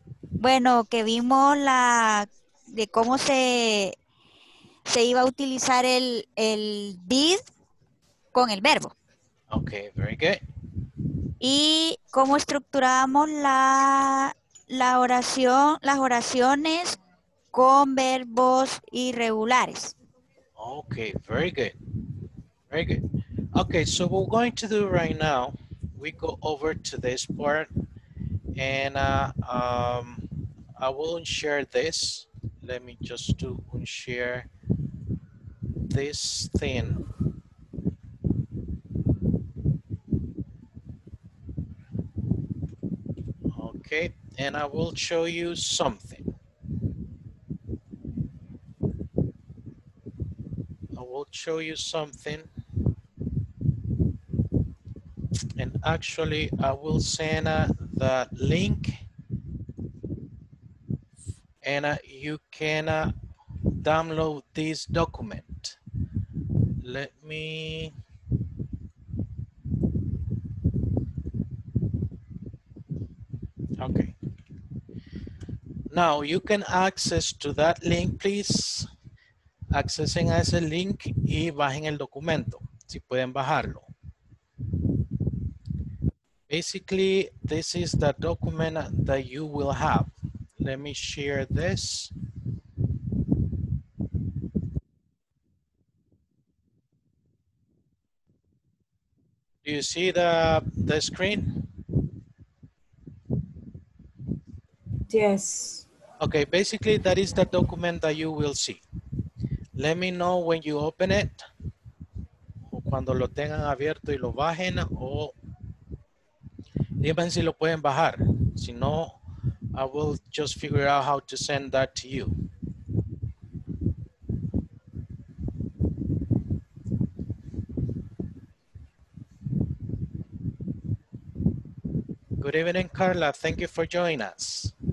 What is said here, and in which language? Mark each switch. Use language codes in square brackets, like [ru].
[es] Bueno, que vimos la, de cómo se iba a utilizar el did con el verbo. [en] Okay, very good. [es] Y cómo estructurábamos las oraciones con verbos irregulares. [en] Okay, very good. Very good. Okay, so what we're going to do right now, we go over to this part and I will share this. Let me just do unshare this thing. Okay, and I will show you something. I will show you something. And actually, I will send the link. And you can download this document. Let me... Okay. Now you can access to that link, please. [es] Accessing a ese link y bajen el documento, si pueden bajarlo. [en] Basically, this is the document that you will have. Let me share this. Do you see the screen? Yes. Okay, basically that is the document that you will see. Let me know when you open it. [es] O cuando lo tengan abierto y lo bajen o díganme si lo pueden bajar. Si no, [en] I will just figure out how to send that to you. Good evening, Carla. Thank you for joining us.